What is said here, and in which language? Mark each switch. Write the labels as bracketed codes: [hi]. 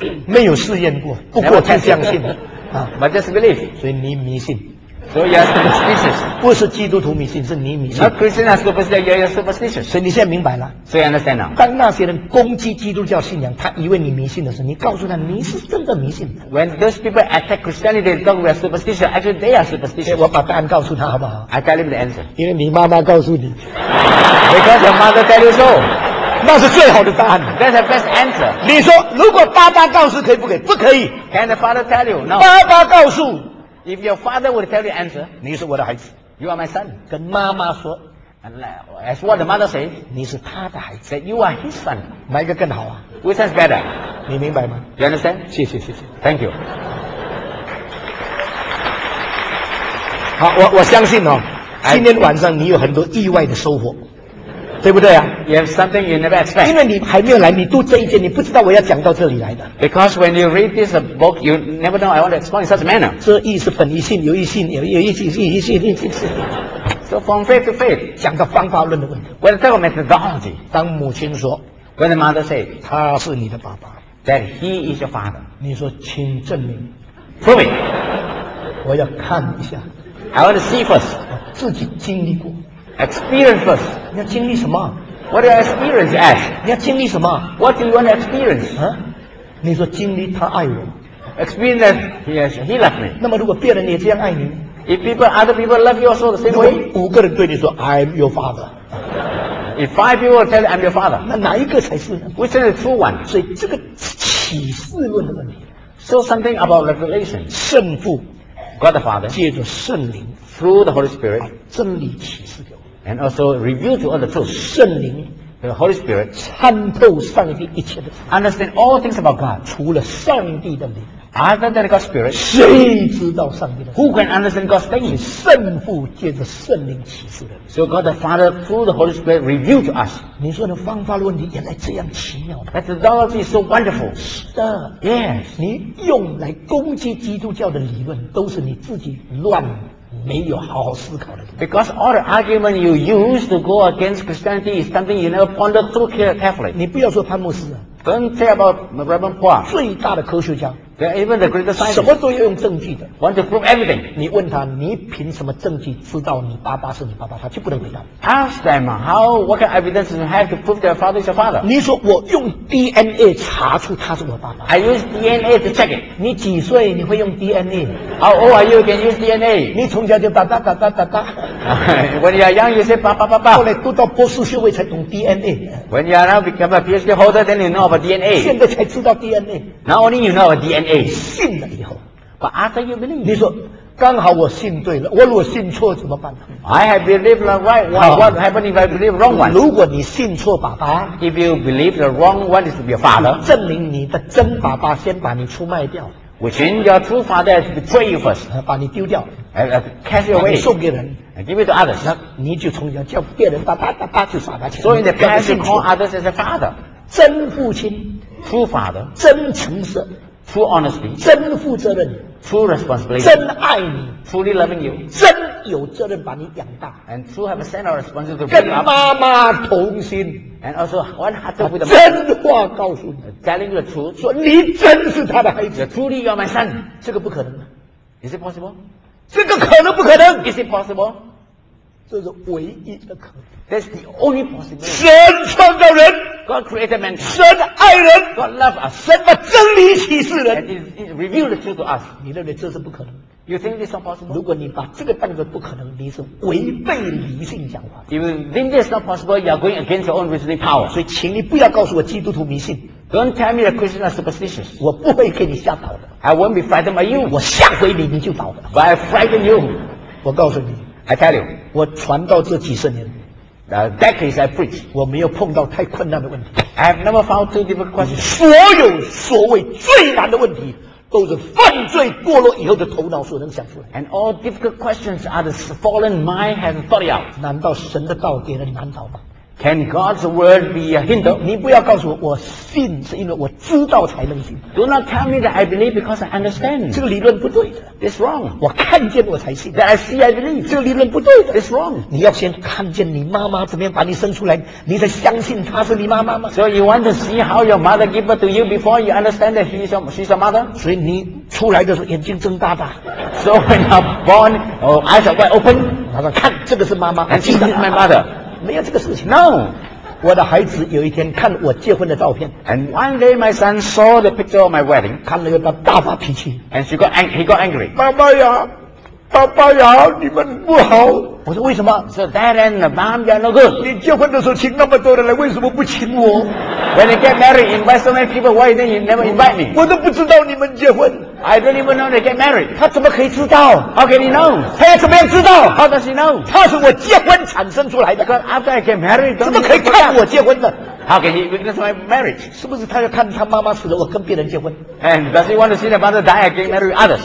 [zh] 没有试验过，不过就相信了。 [en] But just believe. [zh] 所以你迷信。 [en] So you are superstitious. [zh] 不是基督徒迷信，是你迷信。 [en] Not Christian are superstitious, you are superstitious. [zh] 所以你现在明白了。 [en] So you understand now. [zh] 当那些人攻击基督教信仰，他以为你迷信的时候，你告诉他你是真的迷信的。 [en] When those people attack Christianity, they talk we are superstitious. Actually, they are superstitious. [zh] 我把答案告诉他好不好？ [en] I tell him the answer. [zh] 因为你妈妈告诉你。 [en] Because your mother tell you so. [zh] 那是最好的答案。 [en] That's the best answer. [zh] 你说如果爸爸告诉可以不可以？不可以。 [en] Can the father tell you? No. [zh] 爸爸告诉。 [en] If your father would tell you answer, [zh] 你是我的孩子。 [en] You are my son. [zh] 跟妈妈说 [en] ，and like, as what the mother says, [zh] 你是他的孩子。 [en] That you are his son. [zh] 哪一个更好啊 [en] ？Which is better? [zh] 你明白吗 [en] ？You understand? [zh] 谢谢。 [en] Thank you. [zh] 好，我相信哦，今天晚上你有很多意外的收获。对不对啊 [en] ？You have something you never expect. [zh] 因为你还没有来，你读这一节，你不知道我要讲到这里来的。 [en] Because when you read this book, you never know I want to explain in such a manner. [zh] 这义是本于信，由于信，由于信，由于信，由于信。 [en] So from faith to faith, [zh] 讲到方法论的问题。 [en] When talking methodology, [zh] 当母亲说 [en] ，When the mother say, [zh] 他是你的爸爸 [en] ，That he is your father. [zh] 你说，请证明 [en] ，Prove it. [zh] 我要看一下 [en] ，I want to see first. [zh] 我自己经历过。 [en] Experience first. [zh] 你要经历什么 [en] ？What do you experience as? [zh] 你要经历什么 [en] ？What do you want to experience? [zh] 啊，你说经历他爱我。 [en] Experience that he loved me. [zh] 那么如果别人也这样爱你 [en] ？If other people love you also the same way. [zh] 五个人对你说 [en] I'm your father. If five people tell you I'm your father. [zh] 那哪一个才是呢 [en] ？Which is the true one? [zh] 所以这个启示论的问题。 [en] So something about revelation. [zh] 圣父 [en] ，God the Father. [zh] 借着圣灵 [en] ，through the Holy Spirit. [zh] 真理启示。 [en] And also reveal to other truths. [zh] 圣灵 [en] the Holy Spirit [zh] 参透上帝一切的 [en] understand all things about God. [zh] 除了上帝的灵 [en] other than God's Spirit, [zh] 谁知道上帝的 [en] Who can understand God's things? [zh] 圣父借着圣灵启示的 [en] So God the Father through the Holy Spirit reveal to us. [zh] 你说的方法论原来这样奇妙 [en] Methodology is so wonderful. [zh] 是的 [en] Yes. [zh] 你用来攻击基督教的理论都是你自己乱没有好好思考的。 [en] Because all the argument you use to go against Christianity is something you never pondered through carefully. [zh] 你不要说潘牧师啊。 [en] Don't say about Reverend Paul. [zh] 最大的科学家。 [en] They're even the greatest scientist. [zh] 什么都要用证据的。 [en] Want to prove everything. [zh] 你问他，你凭什么证据知道你爸爸是你爸爸？他就不能回答。 [en] Ask them how what kind of evidence you have to prove their father is your father. [zh] 你说我用 DNA 查出他是我爸爸。 [en] I use DNA to check it. [zh] 你几岁你会用 DNA? [en] How old are you can use DNA? [zh] 你从小就哒哒哒哒哒哒。 [en] When you are young, you say [zh] 爸爸爸爸。后来读到博士学位才懂 DNA. [en] When you are now become a PhD holder, then you know about DNA. [zh] 现在才知道 DNA. [en] Not only you know about DNA. A, [zh] 信了以后 [en] ，But after you believe， [zh] 你说刚好我信对了，我如果信错怎么办 [en] ？I have believed the right one. What happened if I believe wrong one？ [zh] 如果你信错爸爸 [en] ，If you believe the wrong one is to be your father， [zh] 证明你的真爸爸先把你出卖掉 [en] ，Which means your true father has betrayed you first， [zh] 把你丢掉 [en] ，cast you away， [zh] 送给人 [en] ，give it to others。 [zh] 那你就从小叫别人爸爸爸爸去耍他钱，所以你不要信错 ， [en] others as a father， [zh] 真父亲 [en] ，true father， [zh] 真诚实。 [en] True honesty. [zh] 真负责任。 [en] True responsibility. [zh] 真爱你。 [en] Truly loving you. [zh] 真有责任把你养大。 [en] And true have a sense of responsibility. [zh] 跟妈妈同心。 [en] And also one heart with the mother. [zh] 真话告诉你。 [en] Telling the truth. [zh] 说你真是他的孩子。 [en] Truly you're my son. [zh] 这个不可能。 [en] Is it possible? [zh] 这个可能不可能。 [en] Is it possible? [zh] 这是唯一的可能。 [en] That's the only possibility. [zh] 神创造人。 [en] God created man. [zh] 神爱人。 [en] God loved us. [zh] 神把真理启示人。 [en] And it revealed the truth to us. [zh] 你认为这是不可能。 [en] You think this is not possible? [zh] 如果你把这个当作不可能，你是违背理性讲话。 [en] If you think this is not possible, you are going against your own reasoning power. [zh] 所以请你不要告诉我基督徒迷信。 [en] Don't tell me that Christians are superstitious. [zh] 我不会给你吓倒的。 [en] I won't be frightened by you. [zh] 我吓回你，你就倒了。 [en] But I frighten you. [zh] 我告诉你。 [en] I tell you, [zh] 我传道这几十年 [en] decades I preach, [zh] 我没有碰到太困难的问题。 [en] I have never found too difficult questions. [zh] 所有所谓最难的问题，都是犯罪堕落以后的头脑所能想出来。 [en] And all difficult questions are the fallen mind has thought out. [zh] 难道神的道给人难倒吗？ [en] Can God's word be a hindrance? [zh] 你不要告诉我，我信是因为我知道才能信。 [en] Do not tell me that I believe because I understand. [zh] 这个理论不对的。 [en] It's wrong. [zh] 我看见我才信。 [en] That I see, I believe. [zh] 这个理论不对的。 [en] It's wrong. [zh] 你要先看见你妈妈怎么样把你生出来，你才相信她是你妈妈吗？ [en] So you want to see how your mother gave birth to you before you understand that she's a mother? [zh] 所以你出来的时候眼睛睁大大。 [en] So when you're born, eyes are wide open. [zh] 他说看，这个是妈妈。 [en] And she is my mother. [zh] 没有这个事情。 [en] No, [zh] 我的孩子有一天看我结婚的照片。 [en] And one day my son saw the picture of my wedding. [zh] 看了以后他大发脾气。 [en] And he got angry. [zh] 爸爸呀，爸爸呀，你们不好。我说为什么 [en] ？So dad and mom, you're no good. [zh] 你结婚的时候请那么多人来，为什么不请我 [en] ？When you get married, invite so many people. Why didn't you never invite me? [zh] 我都不知道你们结婚。 [en] I don't even know they get married. [zh] 他怎么可以知道 [en] ？How can he know? [zh] 他怎么样知道 [en] ？How does he know? [zh] 他是我结婚产生出来的。 [en] Because after I get married, [zh] 怎么可以看我结婚的 [en] ？How can he witness my marriage? [zh] 是不是他要看他妈妈死了，我跟别人结婚 [en] ？And does he want to see their mother die and get married with others?